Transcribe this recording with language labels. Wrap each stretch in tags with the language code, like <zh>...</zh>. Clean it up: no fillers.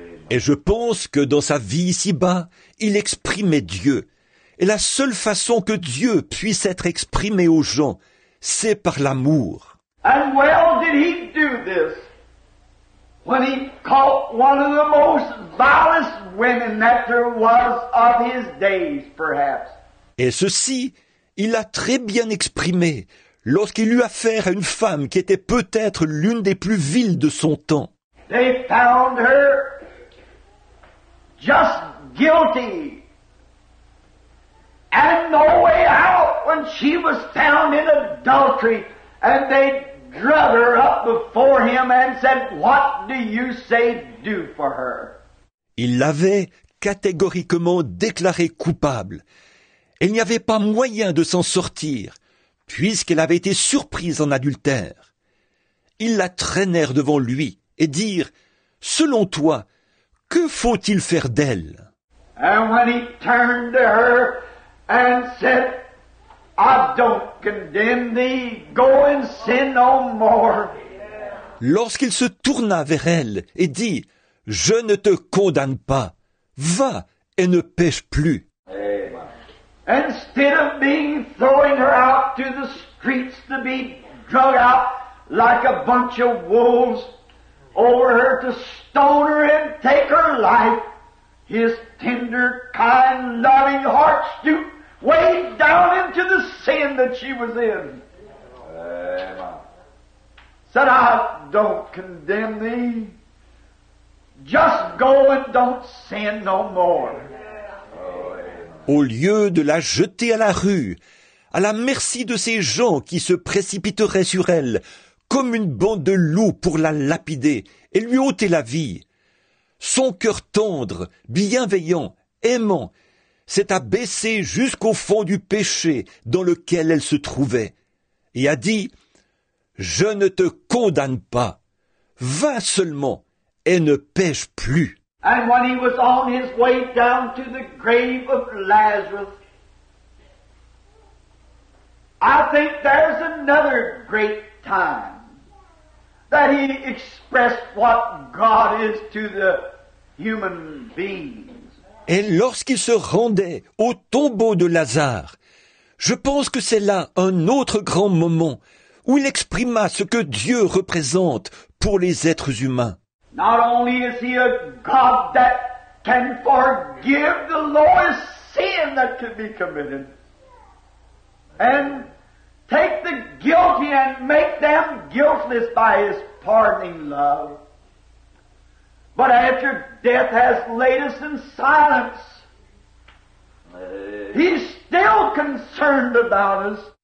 <fr>Et je pense que dans sa vie ici-bas, il exprimait Dieu. Et la seule façon que Dieu puisse être exprimé aux gens, c'est par l'amour.</fr> <en>And well did he do this. when he caught one of the most vilest women that there was of his days, perhaps.</en> <fr>Et ceci, il a très bien exprimé lorsqu'il eut affaire à une femme qui était peut-être l'une des plus viles de son temps.</fr> <en>They found her just guilty. And no way out when she was found in adultery. And they drug her up before him and said, what do you say do for her?</en> <fr>Il l'avait catégoriquement déclarée coupable. Elle n'y avait pas moyen de s'en sortir, puisqu'elle avait été surprise en adultère. Ils la traînèrent devant lui et dirent, selon toi, que faut-il faire d'elle?</fr> <en>And when he turned to her and said, I don't condemn thee, go and sin no more.</en> <fr>Lorsqu'il se tourna vers elle et dit, je ne te condamne pas, va et ne pêche plus.</fr> <en>Instead of being throwing her out to the streets to be drug out like a bunch of wolves over her to stone her and take her life, his tender, kind, loving heart stooped way down into the sin that she was in. Said, I don't condemn thee. Just go and don't sin no more.</en> <fr>Au lieu de la jeter à la rue, à la merci de ces gens qui se précipiteraient sur elle comme une bande de loups pour la lapider et lui ôter la vie, son cœur tendre, bienveillant, aimant, s'est abaissé jusqu'au fond du péché dans lequel elle se trouvait et a dit « Je ne te condamne pas, va seulement et ne pêche plus ».</fr> <en>And when he was on his way down to the grave of Lazarus, I think there's another great time that he expressed what God is to the human beings.</en> <fr>Et lorsqu'il se rendait au tombeau de Lazare, je pense que c'est là un autre grand moment où il exprima ce que Dieu représente pour les êtres humains.</fr> <en>Not only is he a God that can forgive the lowest sin that could be committed and take the guilty and make them guiltless by his pardoning love, but after death has laid us in silence, he's still concerned about us.</en>